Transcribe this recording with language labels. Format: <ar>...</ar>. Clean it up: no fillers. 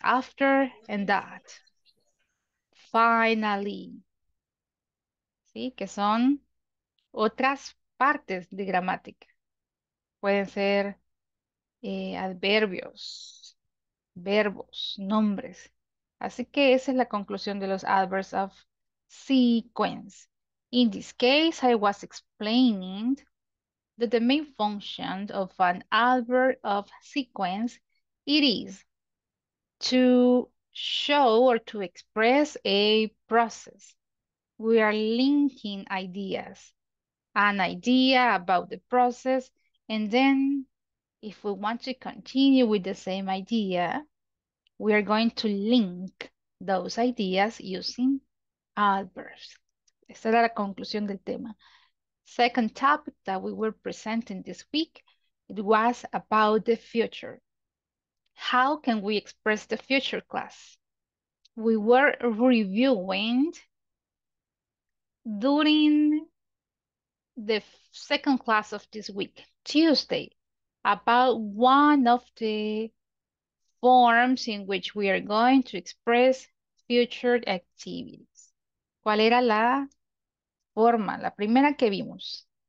<en>After and that. Finally. ¿Sí?</en> <es>Que son otras partes de gramática. Pueden ser adverbios, verbos, nombres. Así que esa es la conclusión de los adverbs of sequence.</es> <en>In this case, I was explaining that the main function of an adverb of sequence, it is to show or to express a process. We are linking ideas, an idea about the process, and then if we want to continue with the same idea, we are going to link those ideas using adverbs.</en> <es>Esta era la conclusión del tema.</es> <en>Second topic that we were presenting this week, it was about the future. How can we express the future, class? We were reviewing during the second class of this week, Tuesday, about one of the forms in which we are going to express future activities.</en> <es>¿Cuál era la forma, la primera que vimos?</es>